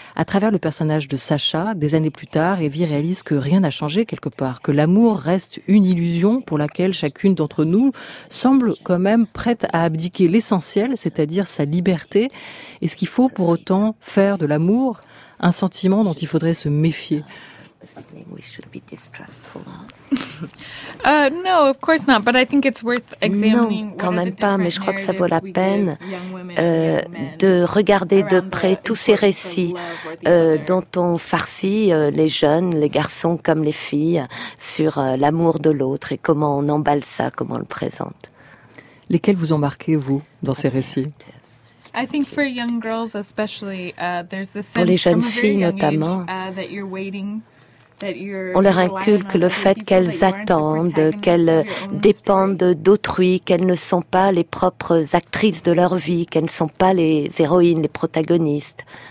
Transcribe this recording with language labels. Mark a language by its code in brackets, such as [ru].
[fr] À travers le personnage de Sacha, des années plus tard, Evie réalise que rien n'a changé quelque part, que l'amour reste une illusion pour laquelle chacune d'entre nous semble quand même prête à abdiquer l'essentiel, c'est-à-dire sa liberté. Est-ce qu'il faut pour autant faire de l'amour un sentiment dont il faudrait se méfier ? [en] We should be distrustful. No, of course not. But I think it's worth examining. [fr] Non, quand même pas. Mais je crois que ça vaut la peine de regarder de près tous ces récits dont on farcit les jeunes, les garçons comme les filles, sur l'amour de l'autre et comment on emballe ça, comment on le présente. Lesquels vous ont marqué, vous, dans ces récits? [en] I think for young girls especially, there's the sense [fr] pour les jeunes filles notamment. [en] That you're waiting. [fr] On leur inculque le fait qu'elles attendent, qu'elles dépendent d'autrui, qu'elles ne sont pas les propres actrices de leur vie, qu'elles ne sont pas les héroïnes, les protagonistes.